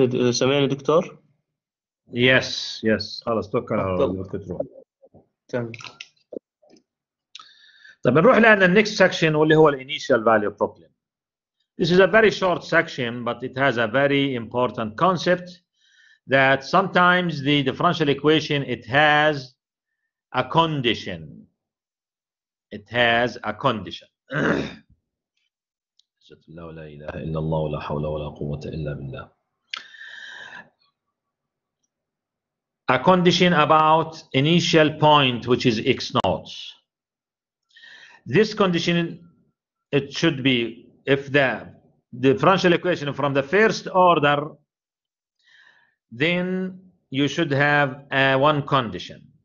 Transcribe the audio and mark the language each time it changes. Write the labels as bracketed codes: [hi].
[ar] سمعني دكتور؟ يس يس خلاص توكل على الله تروح. طيب نروح لان النكست سكشن واللي هو الانيشال فاليو بروبلم. [en] This is a very short section but it has a very important concept that sometimes the differential equation it has a condition. It has a condition. [ar] لا اله الا الله ولا حول ولا قوه الا بالله. [en] A condition about initial point, which is x naught. This condition, it should be if the differential equation from the first order, then you should have one condition.